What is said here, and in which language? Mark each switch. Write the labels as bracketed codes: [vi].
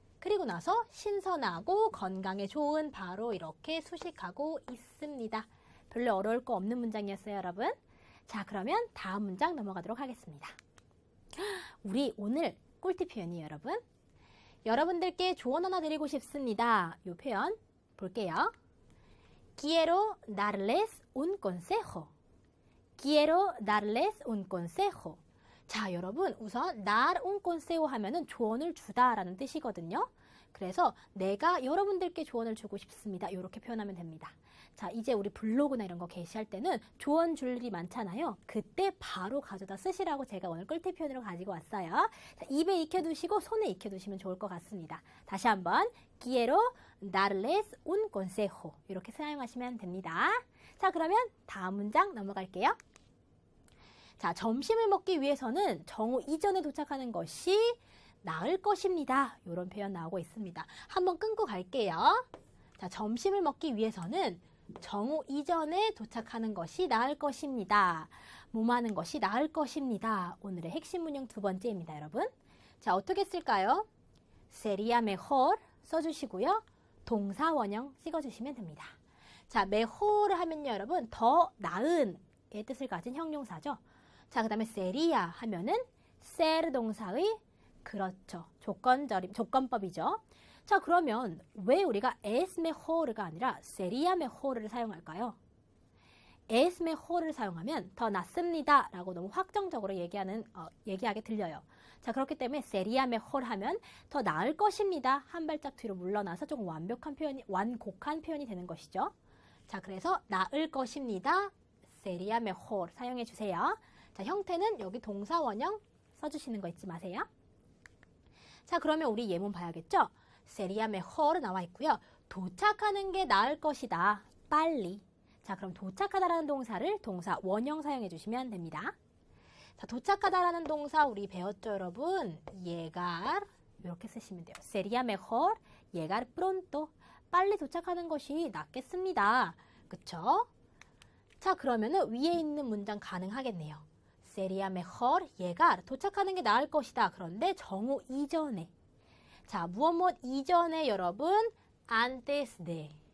[ko] 그리고 나서 신선하고 건강에 좋은 바로 이렇게 수식하고 있습니다. 별로 어려울 거 없는 문장이었어요, 여러분. 자, 그러면 다음 문장 넘어가도록 하겠습니다. 우리 오늘 꿀팁 표현이에요, 여러분. 여러분들께 조언 하나 드리고 싶습니다. 요 표현 볼게요. [es] Quiero darles un consejo. Quiero darles un consejo. [ko] 자, 여러분, 우선 [es] dar un consejo [ko] 하면은 조언을 주다라는 뜻이거든요. 그래서 내가 여러분들께 조언을 주고 싶습니다. 이렇게 표현하면 됩니다. 자, 이제 우리 블로그나 이런 거 게시할 때는 조언 줄 일이 많잖아요. 그때 바로 가져다 쓰시라고 제가 오늘 꿀팁 표현으로 가지고 왔어요. 자, 입에 익혀두시고 손에 익혀두시면 좋을 것 같습니다. 다시 한번 [es] Quiero darles un consejo [ko] 이렇게 사용하시면 됩니다. 자, 그러면 다음 문장 넘어갈게요. 자, 점심을 먹기 위해서는 정오 이전에 도착하는 것이 나을 것입니다. 이런 표현 나오고 있습니다. 한번 끊고 갈게요. 자, 점심을 먹기 위해서는 정오 이전에 도착하는 것이 나을 것입니다. 몸 하는 것이 나을 것입니다. 오늘의 핵심 문형 두 번째입니다, 여러분. 자, 어떻게 쓸까요? [es] Sería mejor [ko] 써주시고요. 동사 원형 찍어주시면 됩니다. 자, mejor 하면요, 여러분. 더 나은의 뜻을 가진 형용사죠. 자, 그 다음에 sería 하면은 ser 동사의 그렇죠. 조건절임, 조건법이죠. 자, 그러면 왜 우리가 [es] es mejor [ko] 가 아니라 [es] sería mejor [ko] 를 사용할까요? [es] es mejor [ko] 를 사용하면 더 낫습니다 라고 너무 확정적으로 얘기하게 들려요. 자, 그렇기 때문에 [es] sería mejor [ko] 하면 더 나을 것입니다. 한 발짝 뒤로 물러나서 조금 완벽한 표현이, 완곡한 표현이 되는 것이죠. 자, 그래서 나을 것입니다. [es] sería mejor [ko] 사용해 주세요. 자, 형태는 여기 동사원형 써주시는 거 잊지 마세요. 자, 그러면 우리 예문 봐야겠죠? [es] Sería mejor [ko] 나와 있고요. 도착하는 게 나을 것이다. 빨리. 자, 그럼 도착하다라는 동사를 동사 원형 사용해 주시면 됩니다. 자, 도착하다라는 동사 우리 배웠죠, 여러분? Llegar 이렇게 쓰시면 돼요. [es] Sería mejor llegar pronto. [ko] 빨리 도착하는 것이 낫겠습니다. 그쵸? 자, 그러면은 위에 있는 문장 가능하겠네요. [es] Sería mejor llegar. [ko] 도착하는 게 나을 것이다. 그런데 정오 이전에. 자, 무엇 무엇 이전에 여러분 [es] antes de.